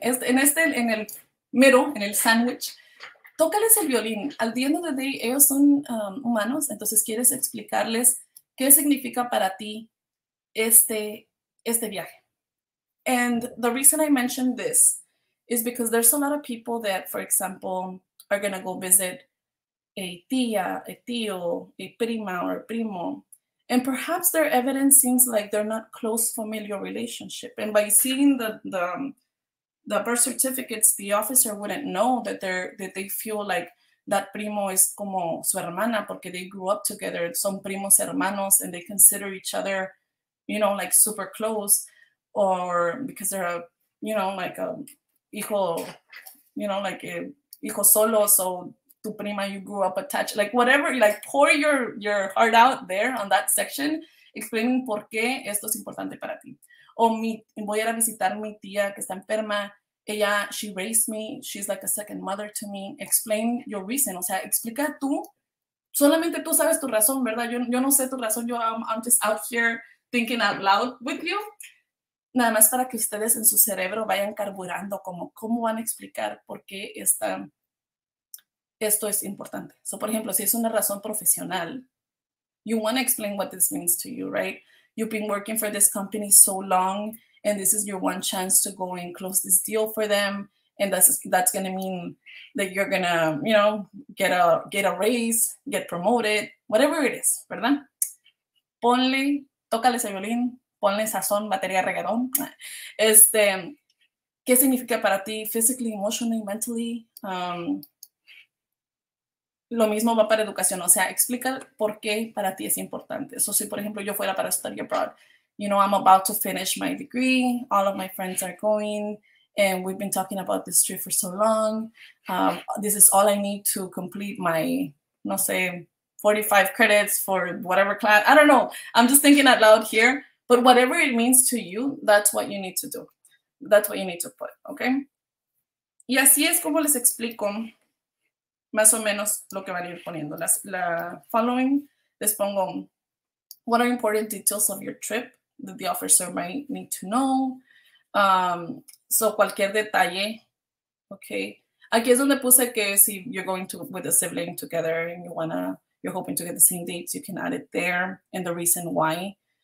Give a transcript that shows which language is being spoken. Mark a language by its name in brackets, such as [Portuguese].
[Spanish] En el middle, en el sandwich, tócales el violín. Al día de hoy, ellos son humanos, entonces quieres explicarles qué significa para ti este viaje. [English] And the reason I mentioned this is because there's a lot of people that, for example, are going to go visit a tía, a tío, a prima, or a primo. And perhaps their evidence seems like they're not close familial relationship. And by seeing the birth certificates, the officer wouldn't know that they feel like that primo is [Spanish] como su hermana porque [English] they grew up together. [Spanish] Son primos hermanos [English] and they consider each other, you know, like super close. Or because they're a, you know, like a hijo, you know, like a hijo solo, so [Spanish] tu prima, [English] you grew up attached, like whatever, like pour your heart out there on that section, explaining [Spanish] por qué esto es importante para ti. O voy a ir a visitar mi tía que está enferma, ella, [English] she raised me, she's like a second mother to me. Explain your reason, [Spanish] o sea, explica tú, solamente tú sabes tu razón, ¿verdad? Yo no sé tu razón, [English] I'm just out here thinking out loud with you. [Spanish] Nada más para que ustedes en su cerebro vayan carburando como cómo van a explicar por qué esto es importante. [English] So, [Spanish] por ejemplo, si es una razón profesional, [English] you want to explain what this means to you, right? You've been working for this company so long, and this is your one chance to go and close this deal for them, and that's going to mean that you're going to, you know, get a raise, get promoted, whatever it is, ¿verdad? [Spanish] Ponle, tócale ese violín. Ponle sazón, batería, reggaetón. ¿Qué significa para ti [English] physically, emotionally, mentally? [Spanish] Lo mismo va para educación. O sea, explica por qué para ti es importante. [English] So, [Spanish] si, por ejemplo, yo fuera para [English] study abroad, you know, I'm about to finish my degree. All of my friends are going. And we've been talking about this trip for so long. This is all I need to complete my, [Spanish] no sé, [English] 45 credits for whatever class. I don't know. I'm just thinking out loud here. But whatever it means to you, that's what you need to do. That's what you need to put, okay? [Spanish] Y así es como les explico más o menos lo que van a ir poniendo. [English] La following, [Spanish] les pongo, [English] what are important details of your trip that the officer might need to know? [Spanish] So cualquier detalle, okay? Aquí es donde puse que si [English] you're going to with a sibling together and you're hoping to get the same dates, you can add it there and the reason why.